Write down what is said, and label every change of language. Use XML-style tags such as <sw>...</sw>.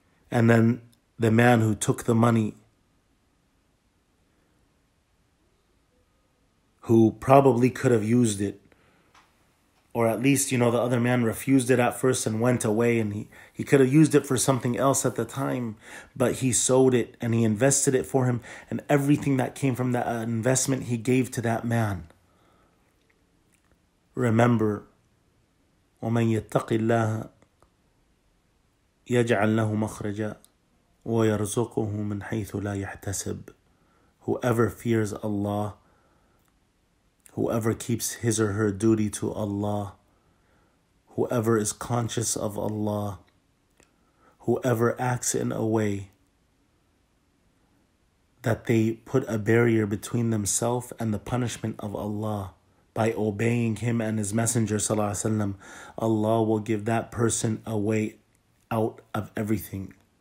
<en>And then the man who took the money, who probably could have used it, or at least, you know, the other man refused it at first and went away, and he could have used it for something else at the time, but he sowed it and he invested it for him, and everything that came from that investment he gave to that man.</en> <ar>Remember, وَمَنْ يَتَّقِ اللَّهَ يَجْعَلْ لَهُ مَخْرَجًا وَيَرْزُقُهُ مِنْ حَيْثُ لَا يَحْتَسِبُ.</ar> <en>Whoever fears Allah, whoever keeps his or her duty to Allah, whoever is conscious of Allah, whoever acts in a way that they put a barrier between themselves and the punishment of Allah by obeying Him and His Messenger sallallahu alaihi wasallam, Allah will give that person a way out of everything.</en>